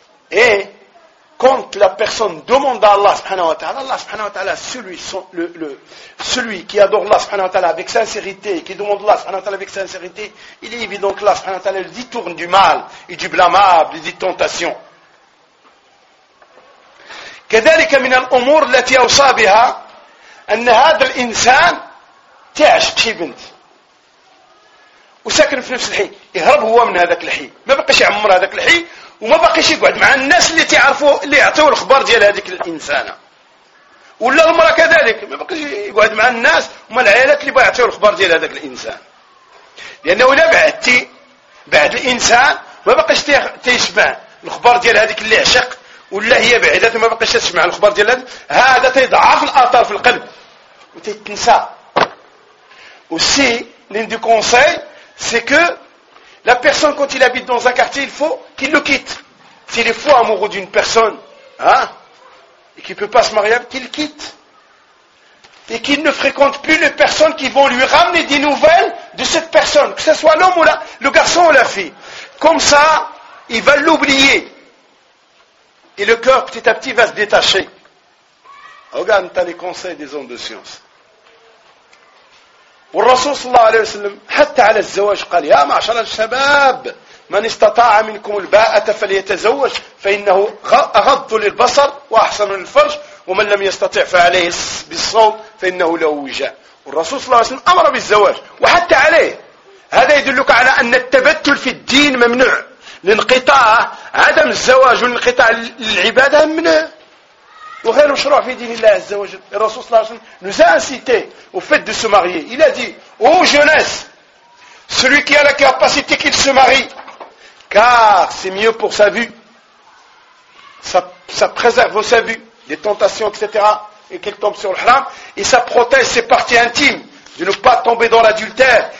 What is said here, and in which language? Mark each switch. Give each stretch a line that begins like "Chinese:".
French: Et quand la personne demande à Allah subhanahu wa ta'ala, Allah subhanahu wa ta'ala, celui qui adore Allah subhanahu wa ta'ala avec sincérité, qui demande Allah subhanahu wa ta'ala avec sincérité, il est évident que Allah subhanahu wa ta'ala le détourne du mal et du blâmable et des tentations.
Arabic: كذلك من الأمور التي أوصى بها أن هذا الإنسان تعش بشي بنت وساكن في نفس الحي يهرب هو من هذاك الحي ما بقيش يعمر هذاك الحي وما بقيش يقعد مع الناس اللي تعرفوا اللي يعطوا الخبر ديال هذيك الإنسانة ولا المرأة كذلك ما بقيش يقعد مع الناس وما العائلات اللي يعطوا الخبر ديال هذاك الإنسان لأنه ولا بعدتي بعد الإنسان ما بقيش تسمع الخبر ديال هذيك اللي عشق ولا هي بعدت ما بقيتش تسمع الخبر ديال هذا تيضعف الاثار في القلب وتتنسى
French: aussi l'un des conseils c'est que la personne quand il habite dans un quartier il faut qu'il le quitte s'il est fou amoureux d'une personne et qu'il peut pas se marier qu'il quitte et qu'il ne fréquente plus les personnes qui vont lui ramener des nouvelles de cette personne que ce soit l'homme ou le garçon ou la fille comme ça il va l'oublier. Et le cœur, petit à petit, va se détacher. Regarde, tu as les conseils des hommes de science. Et le
Arabic: Rasoul sallallahu alayhi wa sallam, حتى على الزواج, قال, يا معشر الشباب, من استطاع منكم الباءة فليتزوج, فإنه أغض للبصر وأحسن للفرج, ومن لم يستطع فعليه بالصوم, فإنه له وجاء. والرسول صلى الله عليه وسلم أمر بالزواج, وحتى عليه. هذا يدلك على أن التبتل في الدين ممنوع. الانقطاع عدم الزواج والانقطاع للعبادة منه وغير مشروع في دين الله عز وجل. الرسول صلى الله عليه وسلم
French: nous a incité au fait de se marier. Il a dit, ô jeunesse, celui qui a la capacité qu'il se marie, car c'est mieux pour sa vue, ça préserve sa vue, les tentations, etc., et qu'elle tombe sur le haram, et ça protège ses parties intimes de ne pas tomber dans l'adultère.